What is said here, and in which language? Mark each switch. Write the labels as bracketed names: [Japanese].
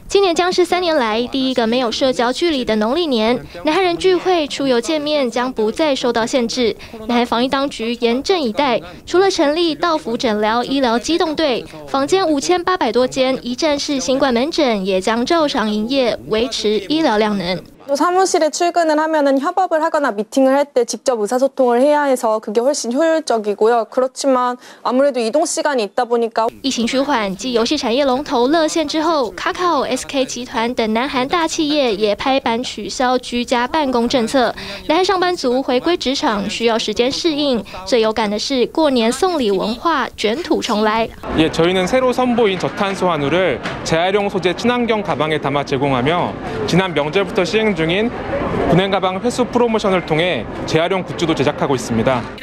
[Chinese] 今年将是3年来第一个没有社交距离的农历年，南韩人聚会、出游、见面将不再受到限制。南韩防疫当局严阵以待，除了成立到府诊疗医疗机动队，坊间5800多间一站式新冠门诊也将照常营业，维持医疗量能。 [Korean] 또 사무실에 출근을 하면은 협업을 하거나 미팅을 할 때 직접 의사소통을 해야 해서 그게 훨씬 효율적이고요. 그렇지만 아무래도 이동 시간이 있다 보니까 [Chinese] 疫情循环及游戏产业龙头乐线之后， 카카오, SK集团 等 南韩大企业也拍板取消居家办公政策。南韩上班族回归职场需要时间适应，最有感的是过年送礼文化卷土重来。 [Korean] 예, 저희는 새로 선보인 저탄소 한우를 재활용 소재 친환경 가방에 담아 제공하며 지난 명절부터 시행 중인 분행 가방 회수 프로모션을 통해 재활용 굿즈도 제작하고 있습니다.